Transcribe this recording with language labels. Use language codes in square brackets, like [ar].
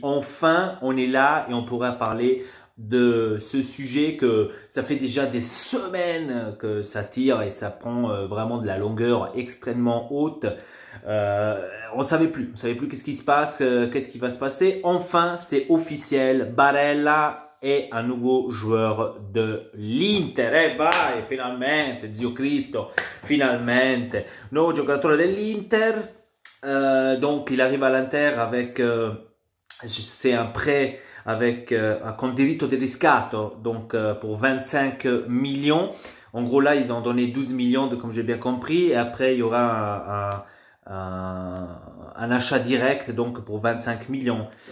[fr] Enfin, on est là et on pourra parler de ce sujet que ça fait déjà des semaines que ça tire et ça prend vraiment de la longueur extrêmement haute. On savait plus qu'est-ce qui se passe, qu'est-ce qui va se passer. Enfin, c'est officiel. Barella est un nouveau joueur de l'Inter. [it] Vai, finalmente, Zio Cristo, finalmente. Nuovo giocatore dell'Inter. [fr] Donc, il arrive à l'Inter avec, c'est un prêt avec, [it] con diritto di riscatto, [fr] donc pour 25 millions. En gros, là, ils ont donné 12 millions, de, comme j'ai bien compris. Et après, il y aura un achat direct, donc pour 25 millions.